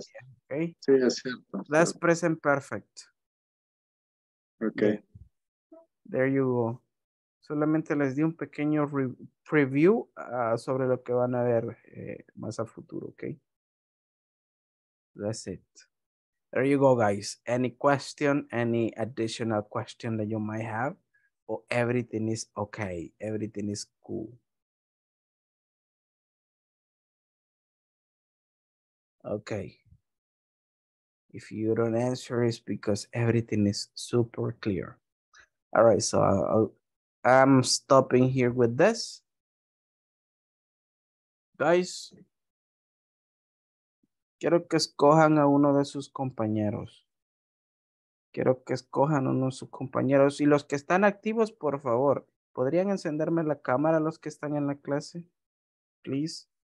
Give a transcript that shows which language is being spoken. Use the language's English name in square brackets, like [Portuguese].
[Spanish] Sí, okay. Sí, es cierto. [English] That's present perfect. Ok. There you go. [Spanish] Solamente les di un pequeño preview sobre lo que van a ver más a futuro, ¿ok? [English] That's it. There you go, guys. Any question, any additional question that you might have, or everything is okay, everything is cool. Okay. If you don't answer, it's because everything is super clear. All right, so I'm stopping here with this. [Spanish] Guys, quiero que escojan a uno de sus compañeros. Quiero que escojan uno de sus compañeros. Y los que están activos, por favor, ¿podrían encenderme la cámara los que están en la clase? Please.